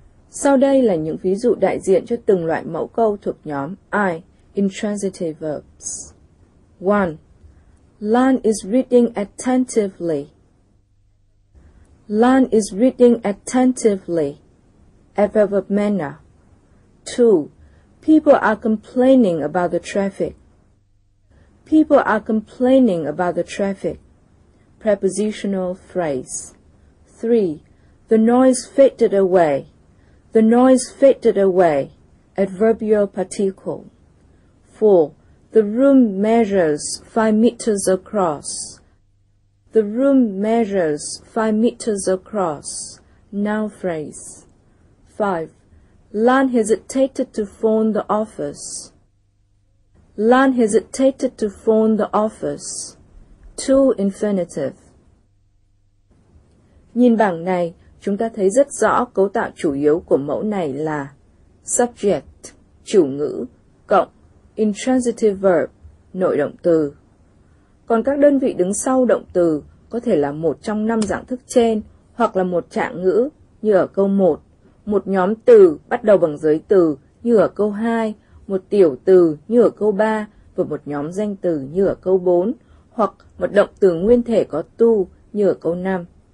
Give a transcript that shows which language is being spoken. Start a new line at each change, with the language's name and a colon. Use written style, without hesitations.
Vietnamese: Sau đây là những ví dụ đại diện cho từng loại mẫu câu thuộc nhóm I,
English: intransitive verbs. 1. Lan is reading attentively. Lan is reading attentively. Adverb of manner. 2. People are complaining about the traffic. People are complaining about the traffic. Prepositional phrase. 3. The noise faded away. The noise faded away. Adverbial particle. 4. The room measures 5 meters across. The room measures 5 meters across. Noun phrase. 5. Lan hesitated to phone the office. Lan hesitated to phone the office. 2. Infinitive.
Vietnamese: Nhìn bảng này, chúng ta thấy rất rõ cấu tạo chủ yếu của mẫu này là subject, chủ ngữ, cộng
English: intransitive verb,
Vietnamese: nội động từ. Còn các đơn vị đứng sau động từ có thể là một trong năm dạng thức trên hoặc là một trạng ngữ như ở câu 1, một nhóm từ bắt đầu bằng giới từ như ở câu 2, một tiểu từ như ở câu 3 và một nhóm danh từ như ở câu 4 hoặc một động từ nguyên thể có to như ở câu 5.